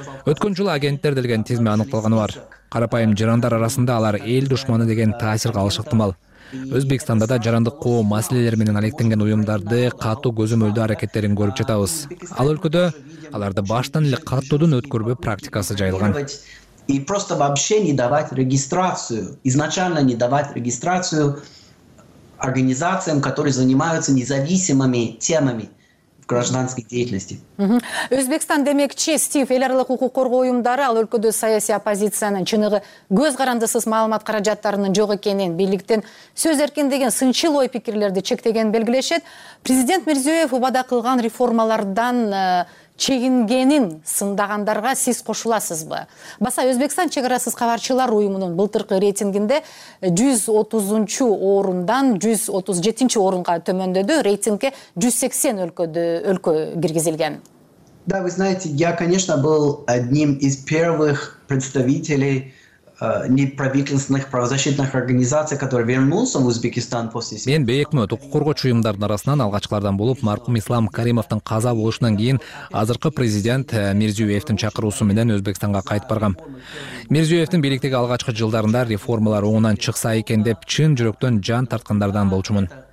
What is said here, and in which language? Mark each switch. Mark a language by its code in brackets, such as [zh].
[ky] Өткөн жылы агенттер делген тизме аныкталганы бар. Карапайым жарандар арасында алар эл душманы деген таасир калышы ыктымал. Өзбекстанда да жарандык коо маселелери менен алектенген уюмдарды катуу көзөмөлдөө аракеттерин көрүп жатабыз. Ал өлкөдө аларды баштан эле катуудун өткөрбөө практикасы жайылган. [ru] И просто вообще не давать регистрацию, изначально не давать регистрацию организациям, которые занимаются независимыми темами гражданской деятельности. [ky] Өзбекстан демекчи, Стив, эл аралык укук коргоо уюмдары ал өлкөдө саясий оппозициянын чыныгы көз карандысыз маалымат каражаттарынын жок экенин, бийликтен сөз эркиндигин, сынчыл ой пикирлерди чектегенин белгилешет. Президент Мирзиёев убада кылган реформалардан чегингенин сындагандарга сиз кошуласызбы? Баса Өзбекстан чек арасыз кабарчылар уюмунун былтыркы рейтингинде 130-чу орундан 137-чи орунга төмөндөдү. Рейтингке 180 өлкө киргизилген. [ru] Да, вы знаете, я, конечно, был одним из первых представителей неправительственных правозащитных организаций, которые вернулся в Узбекистан после [ky] Мен Бейекмет укук коргоочу уюмдардын арасынан алгачкылардан болуп, маркум Ислам Каримовдун каза болушунан кийин азыркы президент Мирзиёевдин чакыруусу менен Өзбекстанга кайтып баргам. Мирзиёевдин бийликтеги алгачкы жылдарында реформалар оңунан чыкса экен деп чын жүрөктөн жан тарткандардан болчумун.